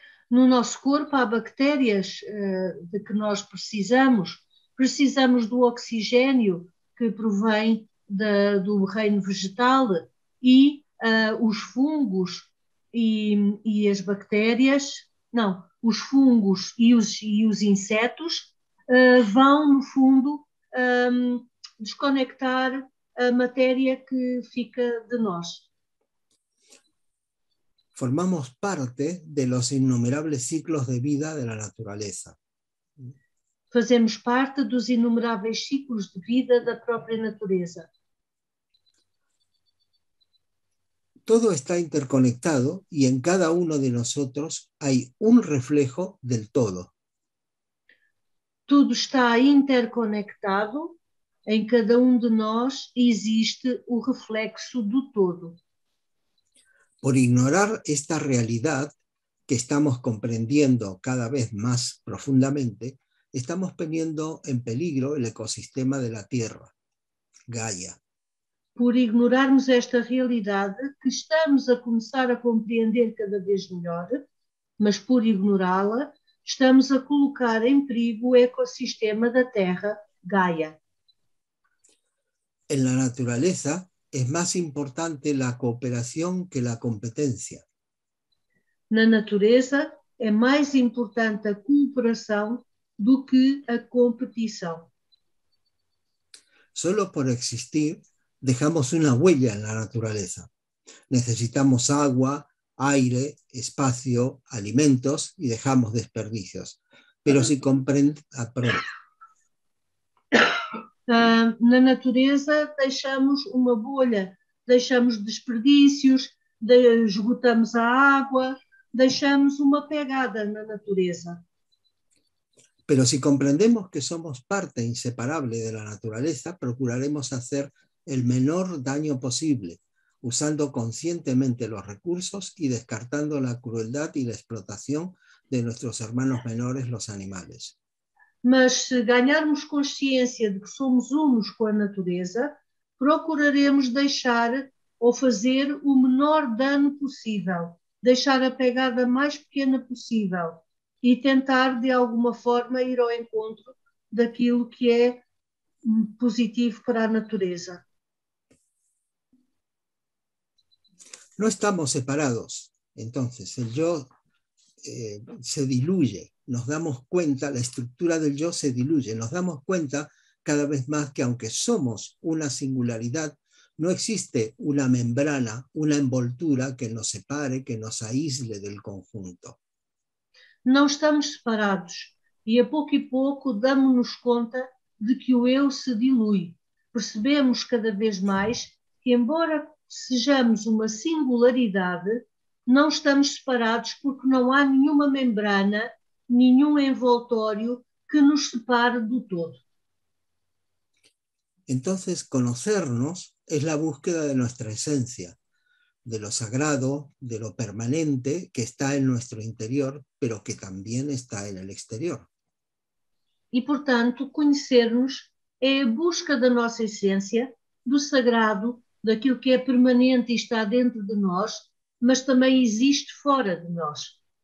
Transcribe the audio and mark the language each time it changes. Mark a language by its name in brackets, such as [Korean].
[Portuguese] No nosso corpo há bactérias, de que nós precisamos. Precisamos do oxigênio que provém do reino vegetal e os fungos e as bactérias, não, os fungos e os insetos vão, no fundo, desconectar a matéria que fica de nós. [Spanish] Formamos parte de los innumerables ciclos de vida de la naturaleza. [Portuguese] Fazemos parte dos inumeráveis ciclos de vida da própria natureza. [Spanish] Todo está interconectado y en cada uno de nosotros hay un reflejo del todo. [Portuguese] Tudo está interconectado, em cada um de nós existe o reflexo do todo. [Spanish] Por ignorar esta realidad que estamos comprendiendo cada vez más profundamente, estamos poniendo en peligro el ecosistema de la Tierra, Gaia. [Portuguese] Por ignorarmos esta realidade que estamos a começar a compreender cada vez melhor, mas por ignorá-la, estamos a colocar em perigo o ecossistema da Terra, Gaia. [Spanish] En la naturaleza, es más importante la cooperación que la competencia. [Portuguese] Na natureza é mais importante a cooperação do que a competição. [Spanish] Solo por existir dejamos una huella en la naturaleza. Necesitamos agua, aire, espacio, alimentos y dejamos desperdicios. Pero si comprende. Ah, perdón. [Portuguese] Na natureza deixamos uma bolha, deixamos desperdícios, esgotamos a água, deixamos uma pegada na natureza. [Spanish] Pero si comprendemos que somos parte inseparable de la naturaleza, procuraremos hacer el menor daño posible, usando conscientemente los recursos y descartando la crueldad y la explotación de nuestros hermanos menores, los animales. [Portuguese] Mas se ganharmos consciência de que somos unos com a natureza, procuraremos deixar ou fazer o menor dano possível, deixar a pegada mais pequena possível e tentar, de alguma forma, ir ao encontro daquilo que é positivo para a natureza. [Spanish] No estamos separados, entonces el yo se diluye, nos damos cuenta, la estructura del yo se diluye, nos damos cuenta cada vez más que aunque somos una singularidad, no existe una membrana, una envoltura que nos separe, que nos aísle del conjunto. [Portuguese] Não estamos separados e a pouco e pouco damos-nos conta de que o eu se dilui. Percebemos cada vez mais que, embora sejamos uma singularidade, não estamos separados porque não há nenhuma membrana nenhum envoltório que nos separe do todo. [Spanish] Entonces, conocernos es la búsqueda de nuestra esencia, de lo sagrado, de lo permanente que está en nuestro interior, pero que también está en el exterior. Y, por tanto, conocernos es la búsqueda de nuestra esencia, [Portuguese] do sagrado, [Spanish] de aquello que es permanente y está dentro de nosotros, mas también existe fuera de nosotros.